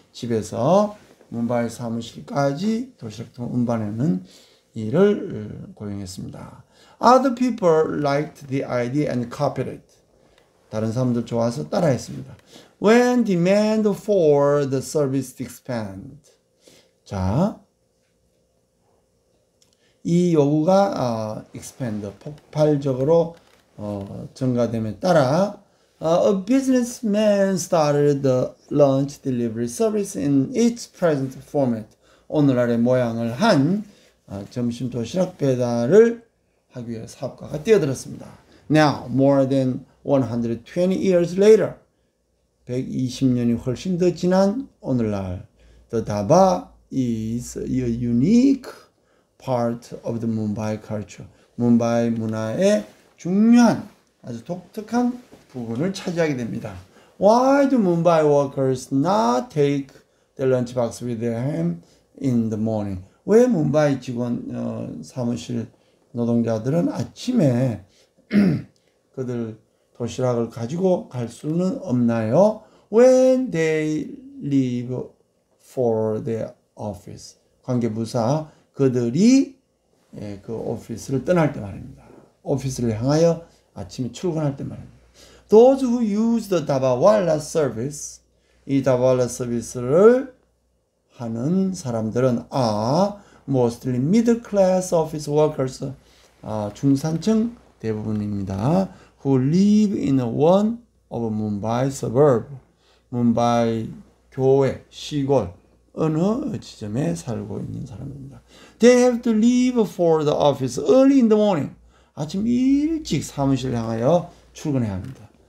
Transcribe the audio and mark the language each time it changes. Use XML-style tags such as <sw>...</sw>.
<ko>집에서 Mumbai 사무실까지 도시락 등 운반하는 일을 고용했습니다.</ko> <en>Other people liked the idea and copied it.</en> <ko>다른 사람들 좋아서 따라했습니다.</ko> <en>When demand for the service expand.</en> <ko>자, 이 요구가 expand, 폭발적으로 증가됨에 따라</ko> <en>a businessman started the lunch delivery service in its present format.</en> <ko>오늘날의 모양을 한 점심 도시락 배달을 하기 위해 사업가가 뛰어들었습니다.</ko> <en>Now, more than 120 years later,</en> <ko>120년이 훨씬 더 지난 오늘날,</ko> <en>the Dhaba is a unique part of the Mumbai culture.</en> <ko>뭄바이 문화의 중요한, 아주 독특한 부분을 차지하게 됩니다.</ko> <en>Why do Mumbai workers not take their lunch box with them in the morning?</en> <ko>왜 뭄바이 직원 사무실 노동자들은 아침에 그들 도시락을 가지고 갈 수는 없나요?</ko> <en>When they leave for their office.</en> <ko>관계부사 그들이 예, 그 오피스를 떠날 때 말입니다. 오피스를 향하여 아침에 출근할 때 말입니다.</ko> <en>Those who use the Dabawala service,</en> <ko>이 Dabawala service를 하는 사람들은</ko> <en>are mostly middle class office workers,</en> <ko>아, 중산층 대부분입니다.</ko> <en>Who live in one of Mumbai suburb,</en> <ko>뭄바이 교외 시골 어느 지점에 살고 있는 사람입니다.</ko> <en>They have to leave for the office early in the morning.</en> <ko>아침 일찍 사무실 향하여 출근해야 합니다.</ko>